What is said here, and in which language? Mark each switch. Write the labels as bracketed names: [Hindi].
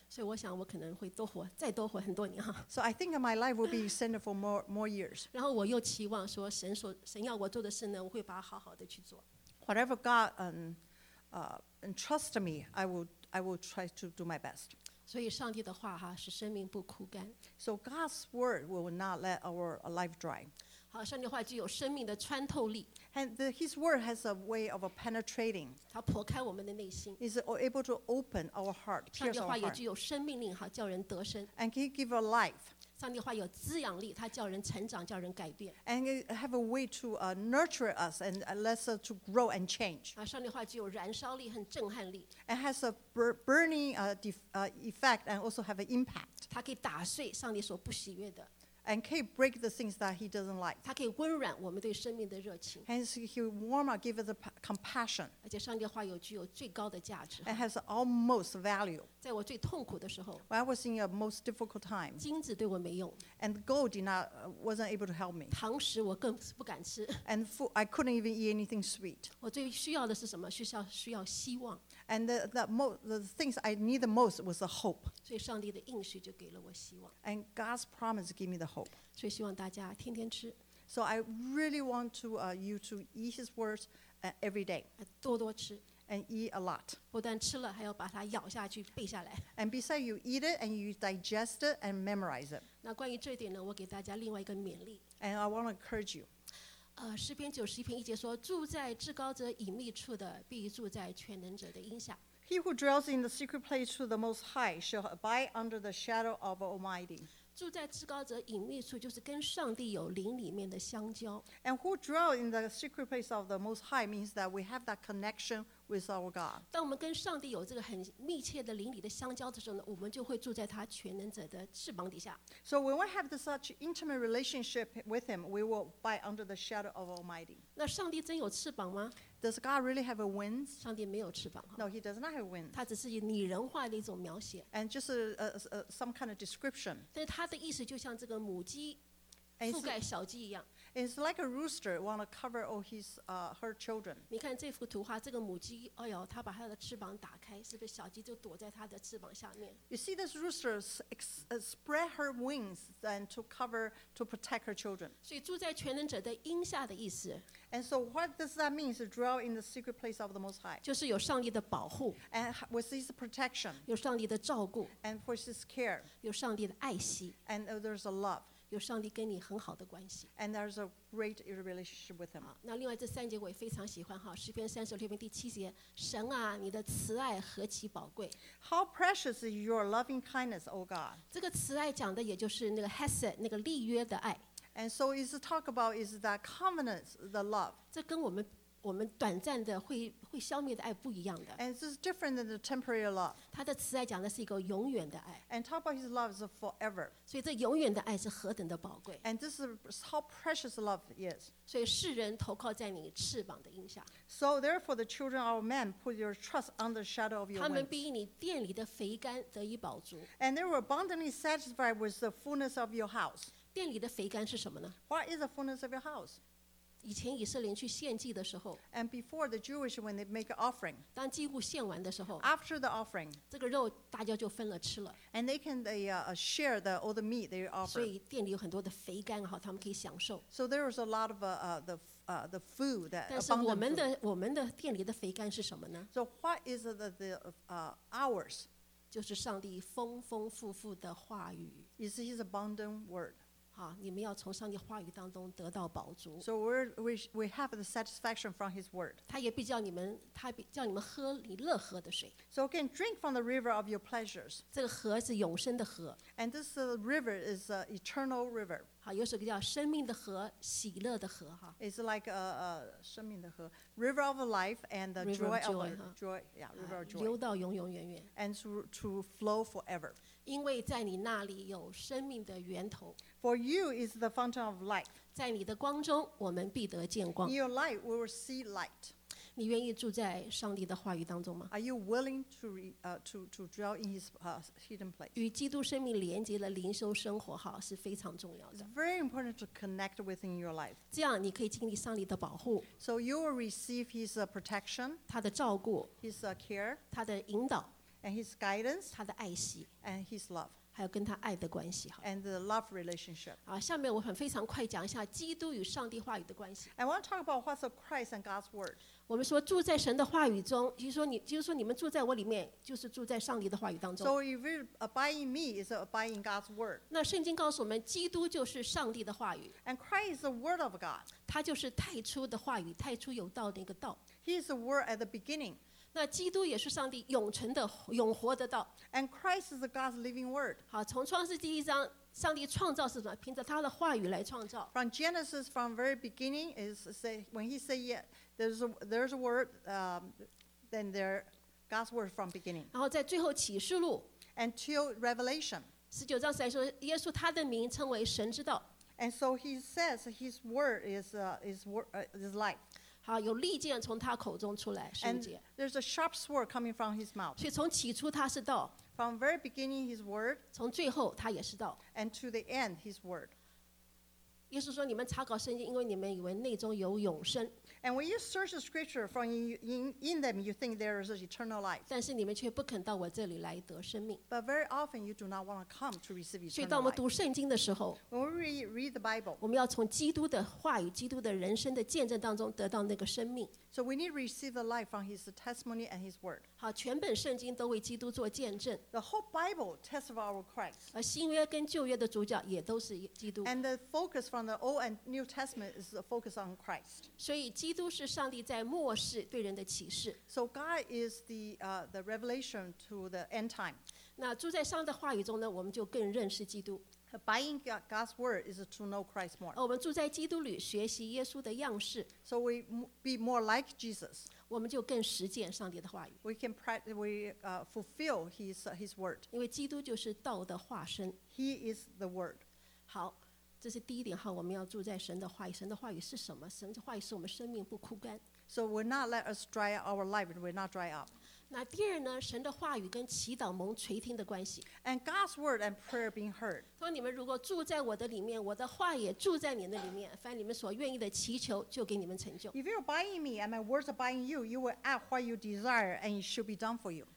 [Chinese] 所以我想我可能会多活，再多活很多年哈。 [English] So I think my life will be extended for more years. [Chinese] 然后我又期望说神要我做的事呢，我会把它好好的去做。 [English] Whatever God entrusts me, I will try to do my best. [Chinese] 所以上帝的话哈，使生命不枯干。 [English] So God's word will not let our life dry. [Chinese] 好，上帝的话具有生命的穿透力。 [English] And His word has a way of a penetrating. [Chinese] 它破开我们的内心。 [English] Is able to open our heart, pierce our heart. [Chinese] 上帝的话也具有生命力，哈，叫人得生。 [English] And can give a life. [Chinese] 上帝的话有滋养力，它叫人成长，叫人改变。 [English] And have a way to nurture us and let us to grow and change. [Chinese] 啊，上帝的话具有燃烧力和震撼力。 [English] And has a burning effect and also have an impact. [Chinese] 它可以打碎上帝所不喜悦的。 [English] And can break the things that he doesn't like. [Chinese] 它可以温暖我们对生命的热情。 [English] Hence, he will warm up, give us the compassion. [Chinese] 而且上帝的话有具有最高的价值。 [English] And has almost value. [Chinese] 在我最痛苦的时候。 [English] When I was in a most difficult time. [Chinese] 金子对我没用。 [English] And gold did not, wasn't able to help me. [Chinese] 糖食我更不敢吃。 [English] And food, I couldn't even eat anything sweet. [Chinese] 我最需要的是什么？需要希望。 [English] And the things I need the most was the hope. [Chinese] 所以上帝的应许就给了我希望。 [English] And God's promise gave me the hope. [Chinese] 所以希望大家天天吃。 [English] So I really want to you to eat His words every day. [Chinese] 多多吃。 [English] And eat a lot. [Chinese] 不但吃了，还要把它咬下去，背下来。 [English] And besides, you eat it and you digest it and memorize it. [Chinese] 那关于这点呢，我给大家另外一个勉励。 [English] And I want to encourage you. [Chinese] 诗篇九十一篇一节说，住在至高者隐秘处的必住在全能者的荫下。 [English] He who dwells in the secret place of the Most High shall abide under the shadow of Almighty. [Chinese] 住在至高者隐秘处就是跟上帝有灵里面的相交。 [English] And who dwells in the secret place of the Most High means that we have that connection with our God. [Chinese] 当我们跟上帝有这个很密切的灵里的相交的时候呢，我们就会住在他全能者的翅膀底下。 [English] So when we have this such intimate relationship with him, we will abide under the shadow of Almighty. [Chinese] 那上帝真有翅膀吗？ [English] Does God really have a wings? [Chinese] 上帝没有翅膀。 [English] No, he does not have wings. [Chinese] 他只是拟人化的一种描写。 [English] And just some kind of description. [Chinese] 但是他的意思就像这个母鸡覆盖小鸡一样。 [English] It's like a rooster want to cover all his her children. [Chinese] 你看这幅图画，这个母鸡，哎呦，它把它的翅膀打开，是不是小鸡就躲在它的翅膀下面 [English] ？You see this rooster spread her wings and to cover to protect her children. [Chinese] 所以住在全能者的荫下的意思。 [English] And so what does that mean? To dwell in the secret place of the Most High. [Chinese] 就是有上帝的保护。 [English] And with his protection. [Chinese] 有上帝的照顾。 [English] And for his care. [Chinese] 有上帝的爱惜。 [English] And there's a love. [Chinese] 有上帝跟你很好的关系。 [English] And there's a great relationship with him. [Chinese] 那另外这三节我也非常喜欢哈，诗篇三十六篇第七节，神啊，你的慈爱何其宝贵。 [English] How precious is your loving kindness, O God? [Chinese] 这个慈爱讲的也就是那个 hesed 那个立约的爱。 [English] And so it's talk about is that covenant, the love. [Chinese] 这跟我们短暂的会消灭的爱不一样的。 [English] And this is different than the temporary love. [Chinese] 他的慈爱讲的是一个永远的爱。 [English] And talk about his love is forever. [Chinese] 所以这永远的爱是何等的宝贵。 [English] And this is how precious love is. [Chinese] 所以世人投靠在你翅膀的荫下。 [English] So therefore the children of men put your trust under the shadow of your wings. [Chinese] 他们必因你殿里的肥甘得以饱足。 [English] And they were abundantly satisfied with the fullness of your house. [Chinese] 殿里的肥甘是什么呢？ [English] What is the fullness of your house? [Chinese] 以前以色列去献祭的时候 [English] ，and before the Jewish when they make an offering， [Chinese] 当祭物献完的时候 [English] ，after the offering， [Chinese] 这个肉大家就分了吃了 [English] ，and they can they share the all the meat they offer。 [Chinese] 所以店里有很多的肥肝哈，他们可以享受。 [English] So there was a lot of the food that. [Chinese] 但是我们的店里的肥肝是什么呢 [English] ？So what is the ours？ [Chinese] 就是上帝丰丰富富的话语。 [English] Is His abundant word。 [Chinese] 你们要从上帝话语当中得到饱足。 [English] So we have the satisfaction from His word. [Chinese] 他也必叫你们，他必叫你们喝你乐喝的水。 [English] So again, drink from the river of your pleasures. [Chinese] 这个河是永生的河。 [English] And this river is an eternal river. [Chinese] 有首歌叫生命的河，喜乐的河。 [English] It's like a [Chinese] 生命的河 [English] ，river of life and the joy of joy. Yeah, river of joy. [Chinese] 流到永永远远。 [English] And to flow forever. [Chinese] 因为在你那里有生命的源头。 [English] For you is the fountain of life. [Chinese] 在你的光中，我们必得见光。 [English] In your light, we will see light. [Chinese] 你愿意住在上帝的话语当中吗 [English] ？Are you willing to dwell in His hidden place? [Chinese] 与基督生命连接的灵修生活好是非常重要的。 [English] It's very important to connect within your life. [Chinese] 这样你可以经历上帝的保护。 [English] So you will receive His protection. [Chinese] 他的照顾。 [English] His care. [Chinese] 他的引导。 [English] And His guidance, [Chinese] 他的爱惜 [English] and His love, [Chinese] 还有跟他爱的关系 [English] and the love relationship. [Chinese] 下面我很非常快讲一下基督与上帝话语的关系 [English] I want to talk about what's of Christ and God's word. [Chinese] 我们说住在神的话语中，就是说你们住在我里面，就是住在上帝的话语当中。 [English] So if you abide in me, it's abide in God's word. [Chinese] 那圣经告诉我们，基督就是上帝的话语 [English] and Christ is the word of God. [Chinese] 他就是太初的话语，太初有道的一个道 [English] He is the word at the beginning. [Chinese] 那基督也是上帝永存的永活的道 [English] And Christ is the God's living word [Chinese] 好从创世纪一章上帝创造是什么凭着他的话语来创造 [English] From Genesis from very beginning is say, When he say yeah, there's a word Then there God's word from beginning [Chinese] 然后在最后启示录 [English] Until Revelation [Chinese] 19章才说耶稣他的名称为神之道 [English] And so he says his word is life [Chinese] 有利剑从他口中出来，圣洁。 [English] There's a sharp sword coming from his mouth. [Chinese] 所以从起初他是道。 [English] From very beginning his word. [Chinese] 从最后他也是道。 [English] And to the end his word. [Chinese] 耶稣说：“你们查考圣经，因为你们以为内中有永生。” [English] And when you search the scripture from in them, you think there is eternal life. [Chinese] 但是你们却不肯到我这里来得生命。 [English] But very often you do not want to come to receive eternal life. [Chinese] 所以当我们读圣经的时候 [English] ，When we read the Bible, [Chinese] 我们要从基督的话语、基督的人生的见证当中得到那个生命。 [English] So we need to receive the life from His testimony and His word. [Chinese] 好，全本圣经都为基督做见证。 [English] The whole Bible testifies our Christ. [Chinese] 而新约跟旧约的主角也都是基督。 [English] And the focus from the Old and New Testament is the focus on Christ. [Chinese] 所以基督是上帝在末世对人的启示。 [English] So God is the revelation to the end time. [Chinese] 那住在上帝的话语中呢，我们就更认识基督。 [English] Abiding God's word is to know Christ more. [Chinese] 我们住在基督里，学习耶稣的样式。 [English] So we be more like Jesus. [Chinese] 我们就更实践上帝的话语。 [English] We can fulfill his word. [Chinese] 因为基督就是道的化身。 [English] He is the word. [Chinese] 好。这是第一点哈，我们要住在神的话语。神的话语是什么？神的话语是我们生命不枯干。 [English] So will not let us dry our life. Will not dry up. [Chinese] 那第二呢？神的话语跟祈祷蒙垂听的关系。 [English] And God's word and prayer being heard. [Chinese] 说你们如果住在我的里面，我的话也住在你的里面，凡你们所愿意的祈求，就给你们成就。 [English] If you abide in me and my words abide in you, you will ask what you desire, and it should be done for you.